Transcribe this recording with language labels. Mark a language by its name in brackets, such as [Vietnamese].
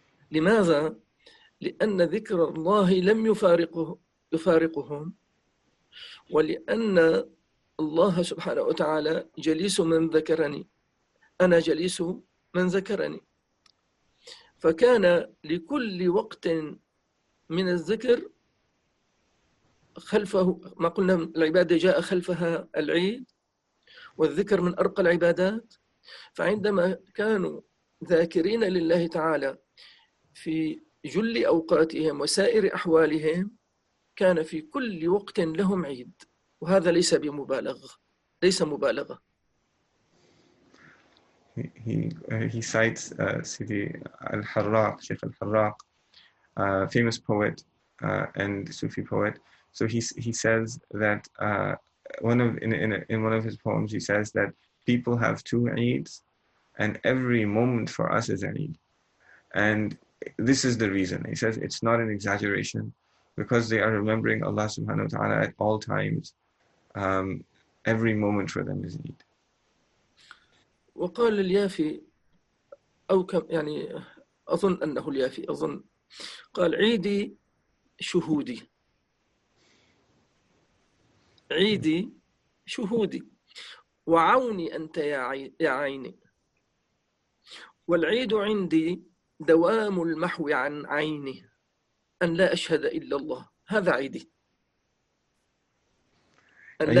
[Arabic] لماذا؟ لأن ذكر الله لم يفارقهم، ولأن الله سبحانه وتعالى جليس من ذكرني، أنا جليس من ذكرني، فكان لكل وقت من الذكر خلفه ما قلنا العبادة جاء خلفها العيد، والذكر من أرقى العبادات. فعندما كانوا ذاكرين لله تعالى في جل أوقاتهم وسائر أحوالهم كان في كل وقت لهم عيد، وهذا ليس بمبالغة، ليس مبالغة. [English] He cites Sidi Al-Harraq, Sheikh Al-Harraq, a famous poet and Sufi poet. So he says that one of his poems, he says that people have two Eids, and every moment for us is an Eid. And this is the reason. He says it's not an exaggeration, because they are remembering Allah subhanahu wa ta'ala at all times. Every moment for them is Eid. [Arabic] وقال اليافي أو كم يعني أظن أنه اليافي أظن قال عيدي شهودي. عيدي شهودي وعوني أنت يا عيني، والعيد عندي دوام المحو عن عيني، أن لا أشهد إلا الله، هذا عيدي، أن لا